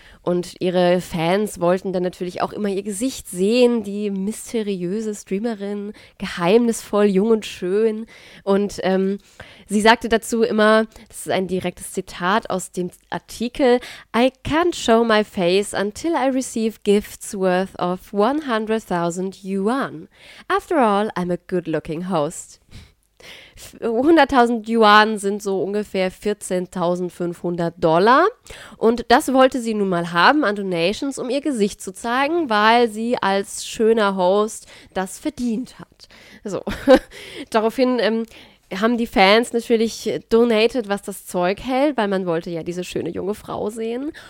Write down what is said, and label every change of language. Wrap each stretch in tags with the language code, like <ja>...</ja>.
<de>Und ihre Fans wollten dann natürlich auch immer ihr Gesicht sehen, die mysteriöse Streamerin, geheimnisvoll, jung und schön. Und sie sagte dazu immer, das ist ein direktes Zitat aus dem Artikel,</de> <en>"I can't show my face until I receive gifts worth of 100.000 yuan. After all, I'm a good-looking host."</en> <de>100.000 Yuan sind so ungefähr 14.500 Dollar und das wollte sie nun mal haben an Donations, um ihr Gesicht zu zeigen, weil sie als schöner Host das verdient hat. So, daraufhin haben die Fans natürlich donated, was das Zeug hält, weil man wollte ja diese schöne junge Frau sehen.</de>